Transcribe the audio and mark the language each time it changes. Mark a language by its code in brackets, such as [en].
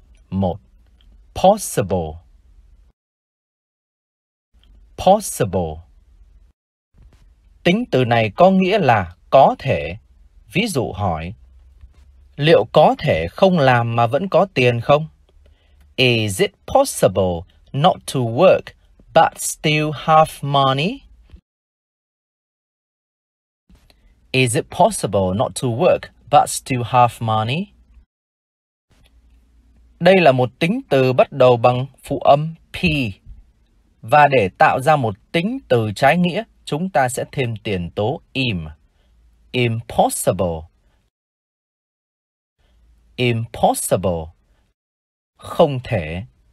[en] Một, possible. Possible. [vi] Tính từ này có nghĩa là có thể. Ví dụ hỏi, liệu có thể không làm mà vẫn có tiền không? [en] Is it possible not to work but still have money? Is it possible not to work but still have money? [vi] Đây là một tính từ bắt đầu bằng phụ âm P. Và để tạo ra một tính từ trái nghĩa, chúng ta sẽ thêm tiền tố im. [en] Impossible. [vi] Impossible. Không thể.